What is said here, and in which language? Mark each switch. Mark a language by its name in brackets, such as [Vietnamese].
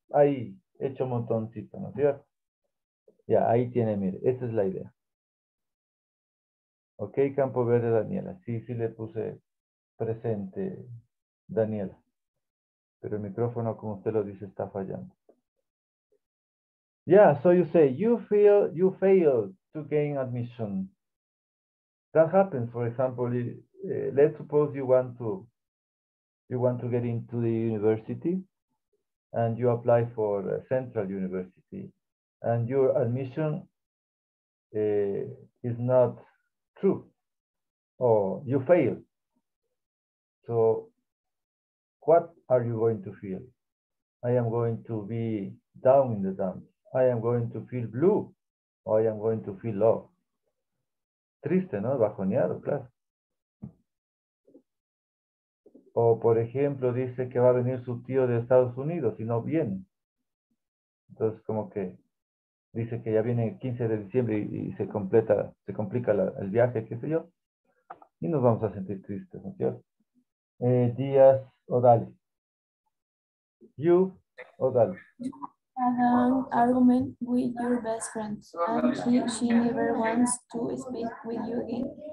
[Spanish] Ahí, hecho un montoncito, ¿no es cierto? Ya, ahí tiene, mire, esa es la idea. Ok, Campo Verde, Daniela. Sí, sí le puse presente, Daniela. Pero el micrófono, como usted lo dice, está fallando. [English] Yeah, so you say, you failed to gain admission. That happens, for example, let's suppose you want to get into the university and you apply for a central university. And your admission is not true, or you fail. So, what are you going to feel? I am going to be down in the dumps. I am going to feel blue, or I am going to feel low. [Spanish] Triste, ¿no? Bajoneado, claro. O, por ejemplo, dice que va a venir su tío de Estados Unidos y no viene. Entonces, como que. Dice que ya viene el 15 de diciembre y se complica el viaje, qué sé yo. Y nos vamos a sentir tristes, ¿no es cierto? Díaz O'Dale. You O'Dale. [English] You have an argument with your best friend. And she never wants to speak with you again.